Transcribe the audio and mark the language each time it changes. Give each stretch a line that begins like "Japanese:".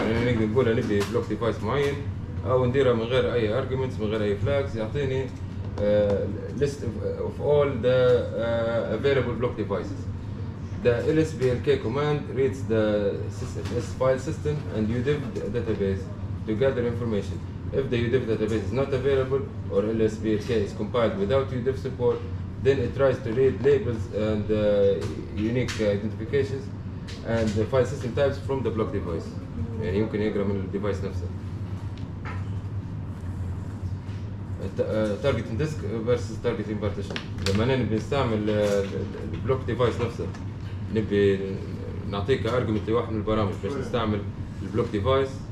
Arabic: يعني نقدر نقول نبي block device معين أو نديرها من غير أي arguments من غير أي flags. يعطيني
English: list of all the available block devices. The lsblk command reads the system, file system and udiv database to gather information. If the udiv database is not available or lsblk is compiled without udiv support, then it tries to read labels and unique identifications and the file system types from the block device.
Arabic: يعني يمكن يقرأ من الديفايس نفسه.
English: Targeting disk versus targeting partition.
Arabic: لما نبي نستعمل البلوك ديفايس نفسه نبي نعطيك ارجمنت لواحد من البرامج باش نستعمل البلوك ديفايس.